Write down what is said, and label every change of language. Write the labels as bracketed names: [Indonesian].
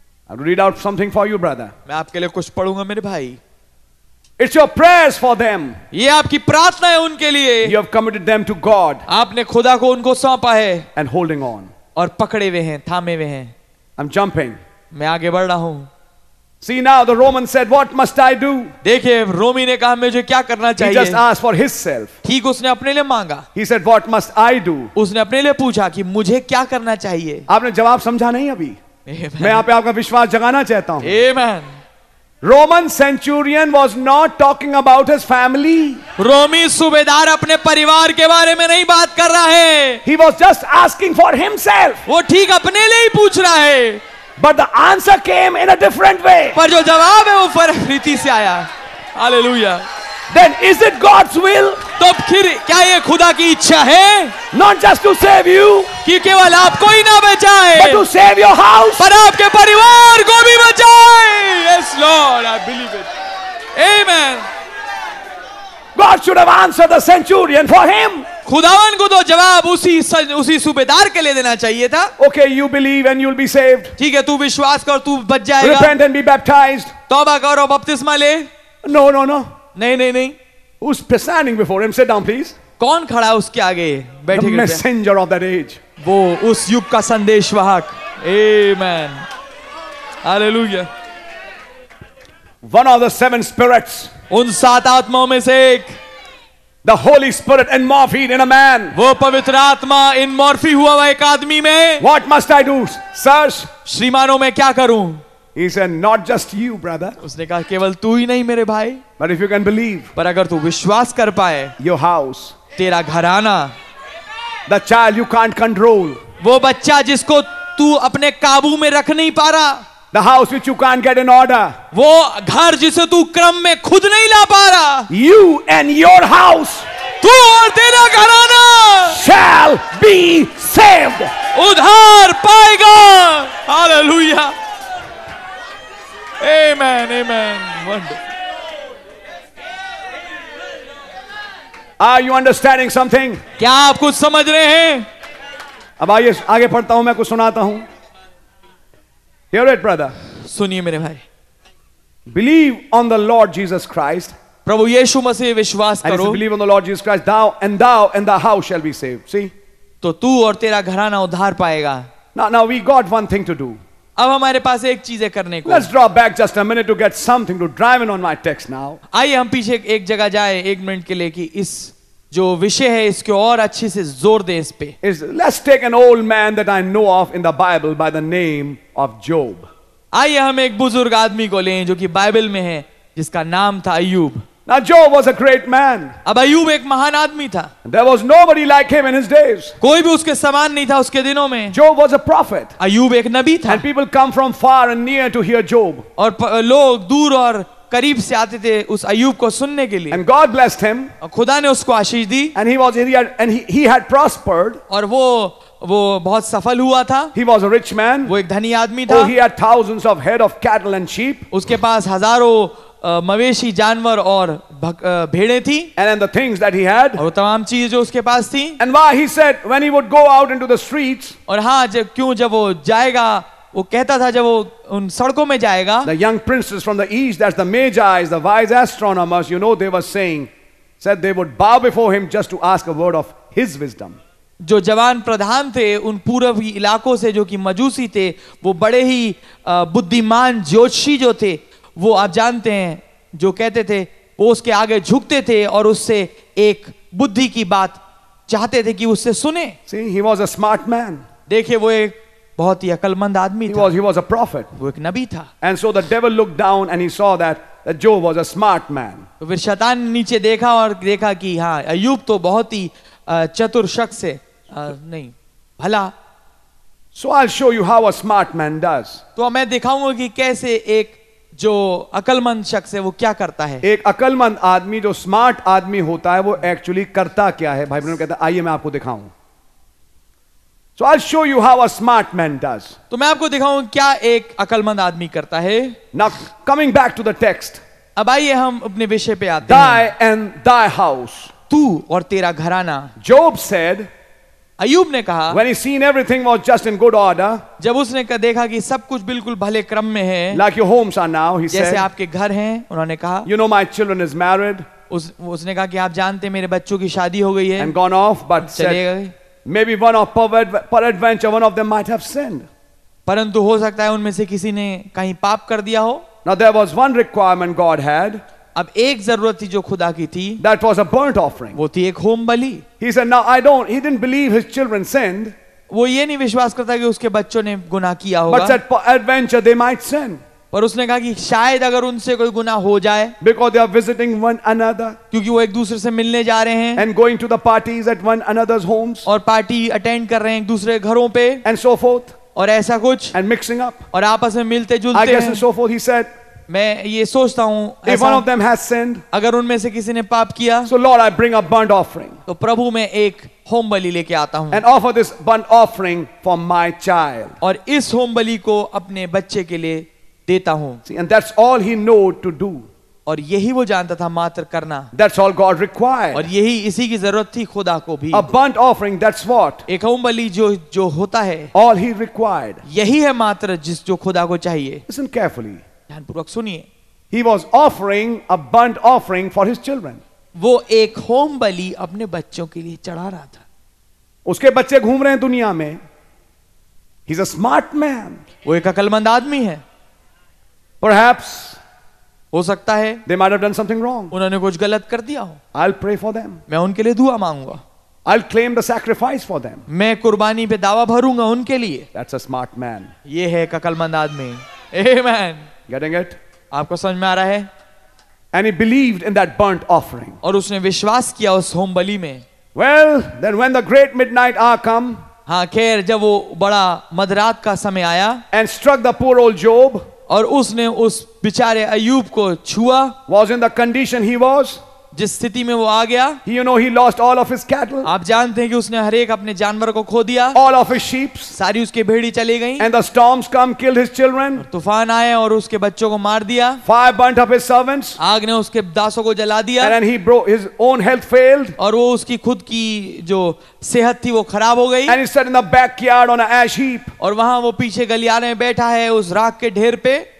[English] I will read out something for you brother. [Hindi] मैं आपके लिए कुछ पढ़ूंगा मेरे भाई. [English] It's your prayers for them. [Hindi] ये आपकी प्रार्थना है उनके लिए. [English] You have committed them to God. [Hindi] आपने खुदा को उनको सौंपा है. [English] And holding on. [Hindi] और पकड़े हुए हैं, थामे हुए हैं. [English] I am jumping. [Hindi] मैं आगे बढ़ रहा हूं. [English] See now the Roman said, "What must I do?" [Hindi] देखिए रोमी ने कहा मुझे क्या करना चाहिए. [English] He just asked for himself. [Hindi] ठीक उसने अपने लिए मांगा. [English] He said, "What must I do?" [Hindi] उसने अपने लिए पूछा कि मुझे क्या करना चाहिए. आपने जवाब समझा नहीं अभी. [English] Amen. [Hindi] मैं यहाँ पे आपका विश्वास जगाना चाहता हूँ. [English] Amen. Roman centurion was not talking about his family. [Hindi] रोमी सूबेदार अपने परिवार के बारे में नहीं बात कर रहा है. [English] He was just asking for himself. [Hindi] वो ठीक अपने लिए ही पूछ रहा है. [English] But the answer came in a different way. [Hindi] पर जो जवाब है वो फर्क रीति से आया. [English] Hallelujah. Then is it God's will? [Hindi] तो फिर क्या ये खुदा की इच्छा है? [English] Not just to save you. [Hindi] कि केवल आपको ही ना बचाए. [English] But to save your house. [Hindi] पर आपके परिवार को भी बचाए. [English] Yes, Lord, I believe it. Amen. God should have answered the centurion for him. [Hindi] खुदावन को तो जवाब उसी उसी सूबेदार के लिए देना चाहिए था. [English] Okay you believe and you will be saved. [Hindi] ठीक है तू विश्वास कर तू बच जाएगा. [English] Repent and be baptised. [Hindi] तौबा कर और बपतिस्मा ले. [English] No no no. [Hindi] नहीं नहीं नहीं. [English] Who's standing before him? Sit down please. [Hindi] कौन खड़ा उसके आगे बैठे? [English] The messenger of that age. [Hindi] वो उस युग का संदेशवाहक. आमेन. Hallelujah. [English] One of the seven spirits. [Hindi] उन सात आत्माओं में से एक. [English] The Holy Spirit in morphine in a man. [Hindi] वो पवित्र आत्मा इन मॉर्फी हुआ वह एक आदमी में. [English] What must I do, sirs? [Hindi] श्रीमानों में क्या करूं? [English] He said, not just you, brother. [Hindi] उसने कहा केवल तू ही नहीं मेरे भाई. [English] But if you can believe. [Hindi] पर अगर तू विश्वास कर पाए. [English] Your house. [Hindi] तेरा घराना. [English] The child you can't control. [Hindi] वो बच्चा जिसको तू अपने काबू में रख नहीं पा रहा. [English] The house which you can't get in order. [Hindi] वो घर जिसे तू क्रम में खुद नहीं ला पा रहा. [English] You and your house. [Hindi] तू और तेरा घराना. [English] Shall be saved. [Hindi] उधार पाएगा. Hallelujah. Amen. Amen. Wonder. [English] Are you understanding something? [Hindi] क्या आप कुछ समझ रहे हैं? अब आइए आगे पढ़ता हूं. मैं कुछ सुनाता हूं. [English] Hear it, brother. [Hindi] सुनिए मेरे भाई. [English] Believe on the Lord Jesus Christ. [Hindi] प्रभु यीशु मसीह विश्वास करो. [English] Believe on the Lord Jesus Christ. Thou and the house shall be saved. See? [Hindi] तो तू और तेरा घराना उद्धार पाएगा. [English] Now we got one thing to do. [Hindi] अब हमारे पास एक चीज है करने को. [English] Let's draw back just a minute to get something to drive in on my text now. [Hindi] आइए हम पीछे एक जगह जाए एक मिनट के लिए कि इस जो विषय है इसके और अच्छे से जोर दें इस पे. [English] Let's take an old man that I know of in the Bible by the name of Job. [Hindi] आइए हम एक बुजुर्ग आदमी को लें जो कि बाइबल में है जिसका नाम था अय्यूब. [English] Now Job was a great man. [Hindi] अब अय्यूब एक महान आदमी था. [English] There was nobody like him in his days. [Hindi] कोई भी उसके समान नहीं था उसके दिनों में. [English] Job was a prophet. [Hindi] अय्यूब एक नबी था. [English] And people come from far and near to hear Job. [Hindi] और लोग दूर और करीब से आते थे उस अय्यूब को सुनने के लिए. [English] And God blessed him. [Hindi] और खुदा ने उसको आशीष दी. [English] And he was he had prospered. [Hindi] और वो बहुत सफल हुआ था. [English] He was a rich man. [Hindi] वो एक धनी आदमी था. [English] Oh, he had thousands of head of cattle and sheep. [Hindi] उसके पास हजारों मवेशी जानवर और भेड़े थी. [English] And then the things that he had. [Hindi] और तमाम चीजें जो उसके पास थी. [English] And why he said when he would go out into the streets. [Hindi] और हाँ जब क्यों जब वो जाएगा वो कहता था जब वो उन सड़कों में जाएगा. [English] The young princes from the east, that's the magi, the wise astronomers, you know, they were saying, said they would bow before him just to ask a word of his wisdom. [Hindi] जो जवान प्रधान थे उन पूर्वी इलाकों से जो कि मजूसी थे वो बड़े ही बुद्धिमान ज्योतिषी जो थे वो आप जानते हैं जो कहते थे वो उसके आगे झुकते थे और उससे एक बुद्धि की बात चाहते थे कि उससे सुने. [English] See, he was a smart man. [Hindi] देखिए वो एक बहुत ही अकलमंद आदमी था. [English] He was a prophet. [Hindi] वो एक नबी था. [English] And so the devil looked down and he saw that Job was a smart man. [Hindi] तो फिर शैतान नीचे देखा और देखा कि हाँ अय्यूब तो बहुत ही चतुर शख्स है. नहीं भला. [English] So I'll show you how a smart man does. [Hindi] तो मैं दिखाऊंगा कि कैसे एक जो अकलमंद शख्स है वो क्या करता है. एक अकलमंद आदमी जो स्मार्ट आदमी होता है वो एक्चुअली करता क्या है. भाई बहनों कहता है आइए मैं आपको दिखाऊं. [English] So I'll show you how a smart man does. [Hindi] तो मैं आपको दिखाऊं क्या एक अकलमंद आदमी करता है. [English] Now coming back to the text. [Hindi] अब आइए हम अपने विषय पे आते हैं. [English] Thy and thy house. [Hindi] तू और तेरा घराना. [English] Job said. [Hindi] अय्यूब ने कहा. [English] When he seen everything was just in good order. [Hindi] जब उसने देखा कि सब कुछ बिल्कुल भले क्रम में है. [English] Like your homes are now, he said. [Hindi] जैसे आपके घर हैं, उन्होंने कहा. [English] You know my children is married. [Hindi] उसने कहा कि आप जानते हैं मेरे बच्चों की शादी हो गई है. [English] And gone off, but [Hindi] चले गए. [English] Maybe one of peradventure one of them might have sinned. [Hindi] परंतु हो सकता है उनमें से किसी ने कहीं पाप कर दिया हो. [English] Now there was one requirement God had. [Hindi] अब एक जरूरत थी जो खुदा की थी. [English] That was a burnt offering. [Hindi] वो थी एक home Bali. [English] He said, "Now I don't." He didn't believe his children sinned. [Hindi] वो ये नहीं विश्वास करता कि उसके बच्चों ने गुनाह किया होगा. [English] But said peradventure they might sin. [Hindi] पर उसने कहा कि शायद अगर उनसे कोई गुनाह हो जाए. [English] Because they are visiting one another. [Hindi] क्योंकि वो एक दूसरे से मिलने जा रहे हैं. [English] And going to the parties at one another's homes. [Hindi] और पार्टी अटेंड कर रहे हैं एक दूसरे के घरों पे. [English] And so forth. [Hindi] और ऐसा कुछ. [English] And mixing up. [Hindi] और आपस में मिलते जुलते. [English] I guess and so forth. He said. [Hindi] मैं ये सोचता हूँ. [English] If one of them has sinned. [Hindi] अगर उनमें से किसी ने पाप किया. [English] So Lord, I bring a burnt offering. [Hindi] तो प्रभु मैं एक होम बलि लेके आता हूँ. [English] And offer this burnt offering for my child. [Hindi] और इस होम बलि को अपने बच्चे के लिए देता हूं. [English] See, and that's all he knew to do. [Hindi] और यही वो जानता था मात्र करना [English] that's all God required. [Hindi] और यही इसी की जरूरत थी खुदा को भी [English] a burnt offering, that's what. [Hindi] एक बलि जो जो होता है [English] all he required. [Hindi] यही है मात्र जिस जो खुदा को चाहिए [English] listen carefully. [Hindi] ध्यानपूर्वक सुनिए [English] he was offering a burnt offering for his children. [Hindi] वो एक होम बलि अपने बच्चों के लिए चढ़ा रहा था उसके बच्चे घूम रहे हैं दुनिया में [English] He's a smart man. [Hindi] वो एक अकलमंद आदमी है [English] Perhaps [Hindi] हो सकता है [English] they might have done something wrong. [Hindi] उन्होंने कुछ गलत कर दिया हो [English] I'll pray for them. [Hindi] मैं उनके लिए दुआ मांगूंगा [English] I'll claim the sacrifice for them. [Hindi] मैं कुर्बानी पे दावा भरूंगा उनके लिए [English] That's a smart man. [Hindi] ये है एक अकलमंद आदमी Amen. [English] Getting it? [Hindi] आपको समझ में आ रहा है [English] And he believed in that burnt offering. [Hindi] और उसने विश्वास किया उस होम बलि में [English] Well, then when the great midnight hour come, [Hindi] हाँ खैर जब वो बड़ा मध्यरात का समय आया [English] and struck the poor old Job [Hindi] और उसने उस बिचारे अय्यूब को छुआ [English] was in the condition he was [Hindi] जिस स्थिति में वो आ गया [English] he, you know, he lost all of his cattle, [Hindi] आप जानते हैं कि उसने हरेक अपने जानवर को खो दिया [English] all of his sheep, [Hindi] सारी उसके भेड़ी चली गई [English] and the storms come, killed his children, [Hindi] तूफान आए और उसके बच्चों को मार दिया [English] fire burnt up his servants, [Hindi] आग ने उसके दासों को जला दिया [English] and he broke his own health failed, [Hindi] और वो उसकी खुद की जो सेहत थी वो खराब हो गई [English] and he sat in the backyard on an ash heap, [Hindi] और वहां वो पीछे गलियारे में बैठा है उस राख के ढेर पे